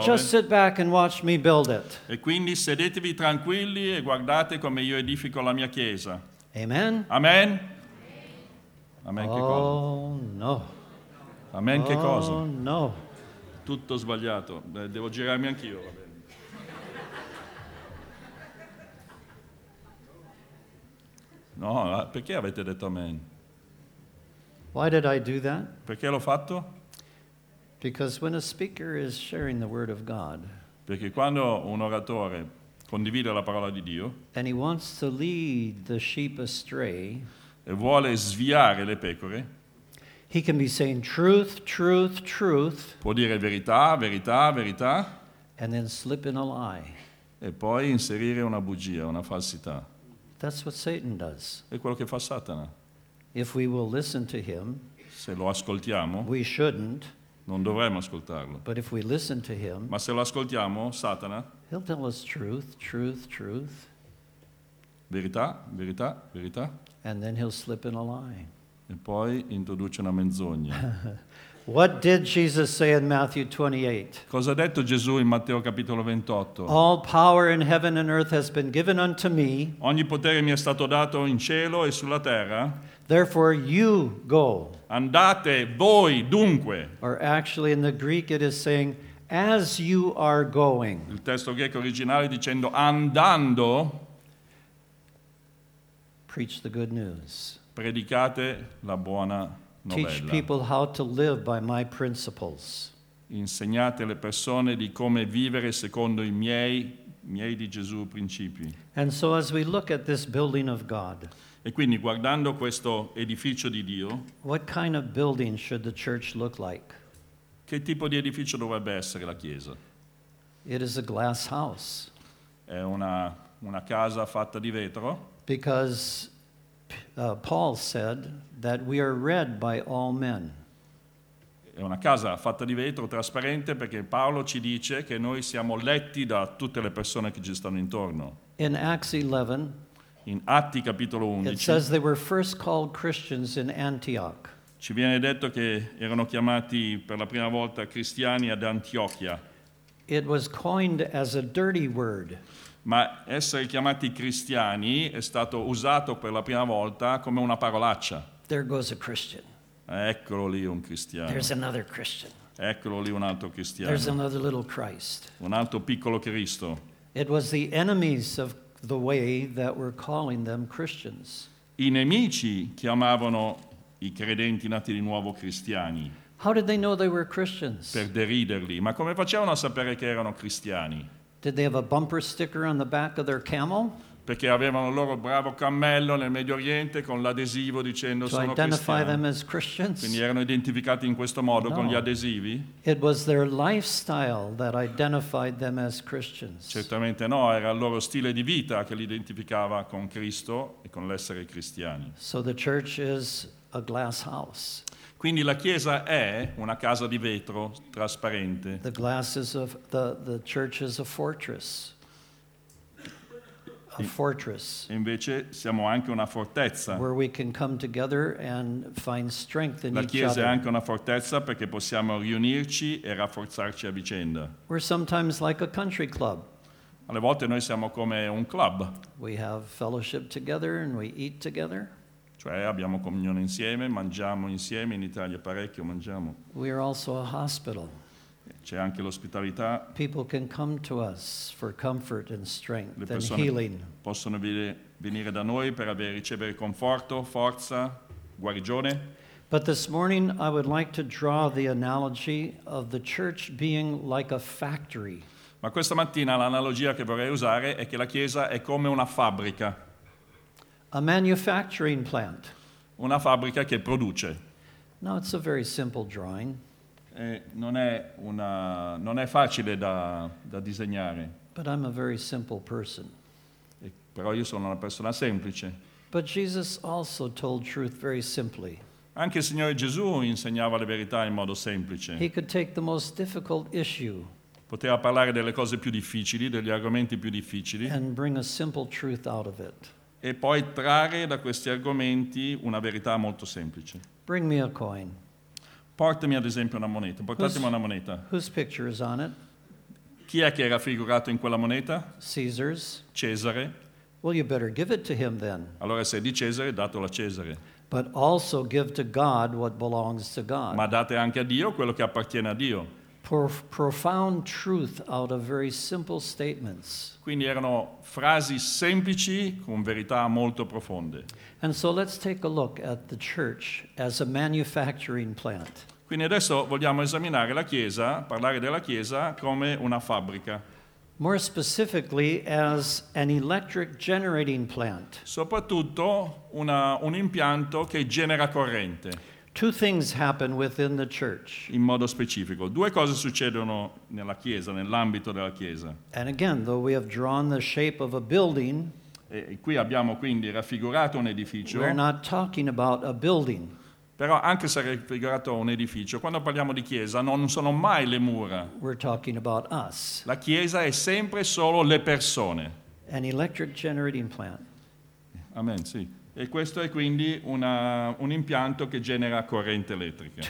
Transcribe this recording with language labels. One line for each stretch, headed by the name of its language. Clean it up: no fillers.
English: So just sit back and watch me build it.
Italian: E quindi sedetevi tranquilli e guardate come io edifico la mia chiesa. Amen. Amen. Amen. Che cosa? Oh no. Amen. Oh, che cosa? Oh no. Tutto sbagliato. Beh, devo girarmi anch'io. Va bene. No, perché avete detto amen?
English: Why did I do that?
Italian: Perché l'ho fatto?
English: Because when a speaker is sharing the word of God.
Italian: Perché quando un oratore condivide la parola di Dio.
English: And he wants to lead the sheep astray.
Italian: E vuole sviare le pecore.
English: He can be saying truth, truth, truth.
Italian: Può dire verità, verità, verità.
English: And then slip in a lie.
Italian: E poi inserire una bugia, una falsità.
English: That's what Satan does.
Italian: È quello che fa Satana.
English: If we will listen to him.
Italian: Se lo ascoltiamo.
English: We shouldn't.
Italian: Non dovremmo ascoltarlo.
English: But if we listen to him.
Italian: Ma se lo ascoltiamo, Satana.
English: He'll tell us truth, truth, truth.
Italian: Verità, verità, verità.
English: And then he'll slip in a lie.
Italian: E poi introduce una menzogna.
English: What did Jesus say in Matthew 28?
Italian: Cosa ha detto Gesù in Matteo capitolo 28?
English: All power in heaven and earth has been given unto me.
Italian: Ogni potere mi è stato dato in cielo e sulla terra.
English: Therefore you go.
Italian: Andate voi dunque.
English: Or actually in the Greek it is saying, as you are going.
Italian: Il testo greco originale dicendo andando.
English: Preach the good news.
Italian: Predicate la buona novella.
English: Teach people how to live by my principles.
Italian: Insegnate le persone di come vivere secondo i miei di Gesù principi.
English: And so as we look at this building of God.
Italian: E quindi guardando questo edificio di Dio.
English: What kind of building should the church look like?
Italian: Che tipo di edificio dovrebbe essere la chiesa?
English: It is a glass house.
Italian: È una casa fatta di vetro.
English: Because Paul said that we are read by all men.
Italian: È una casa fatta di vetro, trasparente, perché Paolo ci dice che noi siamo letti da tutte le persone che ci stanno intorno.
English: In Acts 11.
Italian: In Atti capitolo 11.
English: It says they were first called Christians in Antioch.
Italian: Ci viene detto che erano chiamati per la prima volta cristiani ad Antiochia.
English: It was coined as a dirty word.
Italian: Ma essere chiamati cristiani è stato usato per la prima volta come una parolaccia.
English: There goes a Christian.
Italian: Eccolo lì un cristiano.
English: There's another Christian.
Italian: Eccolo lì un altro cristiano.
English: There's another little Christ.
Italian: Un altro piccolo Cristo.
English: It was the enemies of the way that were calling them Christians.
Italian: I nemici chiamavano i credenti nati di nuovo cristiani.
English: How did they know they were Christians?
Italian: Per deriderli. Ma come facevano a sapere che erano cristiani?
English: Did they have a bumper sticker on the back of their camel?
Italian: Perché avevano il loro bravo cammello nel Medio Oriente con l'adesivo dicendo sono cristiani.
English: Them as Christians?
Italian: Quindi erano identificati in questo modo, no, con gli adesivi?
English: It was their lifestyle that identified them as Christians.
Italian: Certamente no, era il loro stile di vita che li identificava con Cristo e con l'essere cristiani.
English: So the church is a glass house.
Italian: Quindi la chiesa è una casa di vetro trasparente.
English: The glass is of the church is a fortress. A fortress.
Italian: Invece siamo anche una fortezza.
English: Where we can come together and find strength in each other.
Italian: La chiesa è anche una fortezza perché possiamo riunirci e rafforzarci a vicenda.
English: We're sometimes like a country club.
Italian: Alle volte noi siamo come un club.
English: We have fellowship together and we eat together.
Italian: Cioè abbiamo comunione insieme, mangiamo insieme, in Italia parecchio mangiamo.
English: We are also a hospital.
Italian: C'è anche l'ospitalità.
English: People can come to us for comfort and strength and healing.
Italian: Le persone possono venire da noi per ricevere conforto, forza, guarigione.
English: But this morning I would like to draw the analogy of the church being like a factory.
Italian: Ma questa mattina l'analogia che vorrei usare è che la chiesa è come una fabbrica.
English: A manufacturing plant.
Italian: Una fabbrica che produce.
English: Now it's a very simple drawing.
Italian: Non è facile da disegnare.
English: But I'm a very simple person.
Italian: Però io sono una persona semplice.
English: But Jesus also told truth very simply.
Italian: Anche il Signore Gesù insegnava le verità in modo semplice.
English: He could take the most difficult issue.
Italian: Poteva parlare delle cose più difficili, degli argomenti più difficili.
English: And bring a simple truth out of it.
Italian: E poi trarre da questi argomenti una verità molto semplice.
English: Bring me a coin.
Italian: Portami ad esempio una moneta. Portatemi una moneta.
English: Whose picture is on it?
Italian: Chi è che è raffigurato in quella moneta?
English: Caesar's.
Italian: Cesare.
English: Well, you better give it to him then.
Italian: Allora se è di Cesare, datelo a Cesare.
English: But also give to God what belongs to God.
Italian: Ma date anche a Dio quello che appartiene a Dio.
English: Profound truth out of very simple statements.
Italian: Quindi erano frasi semplici con verità molto profonde.
English: And so let's take a look at the church as a manufacturing plant.
Italian: Quindi adesso vogliamo esaminare la chiesa, parlare della chiesa come una fabbrica.
English: More specifically, as an electric generating plant.
Italian: Soprattutto un impianto che genera corrente.
English: Two things happen within the church.
Italian: In modo specifico, due cose succedono nella chiesa, nell'ambito della chiesa.
English: And again, though we have drawn the shape of a building,
Italian: e qui abbiamo quindi raffigurato un edificio.
English: We're not talking about a building.
Italian: Però anche se raffigurato un edificio, quando parliamo di chiesa non sono mai le mura.
English: We're talking about us.
Italian: La chiesa è sempre solo le persone.
English: An electric generating plant.
Italian: Amen, sì. E questo è quindi un impianto che genera corrente elettrica.